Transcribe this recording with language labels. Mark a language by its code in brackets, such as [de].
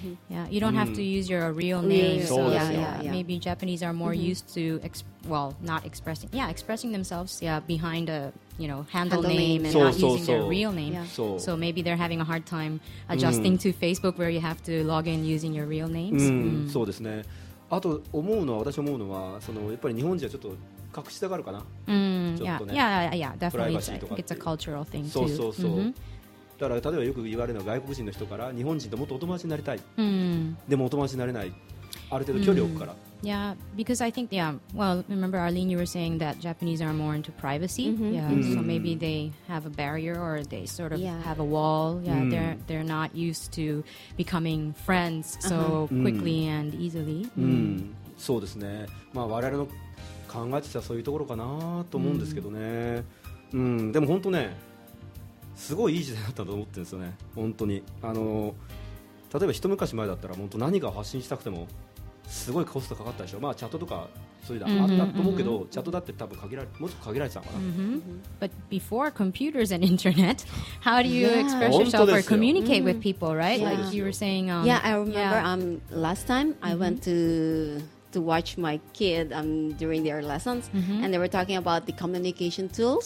[en] Yeah, you don't have to use your real name. [ja] そうですよ。 [en] Yeah, yeah, yeah. Maybe Japanese are more used to not expressing. Yeah, expressing themselves. Yeah, behind a handle name and not using their real name. So, so maybe they're having a hard time adjusting to Facebook where you have to log in using your real names. [ja] そうですね。あと思うのは、私思うのは、そのやっぱり日本人はちょっと隠したがるかな。 [en] Definitely. It's a cultural thing too. [ja] そうそうそう。だから例えばよく言われるのは、外国人の人から日本人ともっとお友達になりたい。でもお友達になれない。ある程度距離を置くから。 [en] Yeah, because I think, yeah, well, remember Arlene, you were saying that Japanese are more into privacy. So maybe they have a barrier or they sort of have a wall. Yeah, they're not used to becoming friends so quickly and easily. [ja] そうですね。まあ我々の考えてたらそういうところかなと思うんですけどね。でも本当ね、すごいいい時代だったと思ってるんですよね。本当に。例えば一昔前だったら、本当何か発信したくてもすごいコストかかったでしょ。まあチャットとかそういうのあったと思うけど、チャットだって多分限られ、もうちょっと限られてたのかな。 [en] But before computers and internet, how do you express yourself or communicate with people, right? Like you were saying, I remember last time I went to watch my kid during their lessons, and they were talking about the communication tools.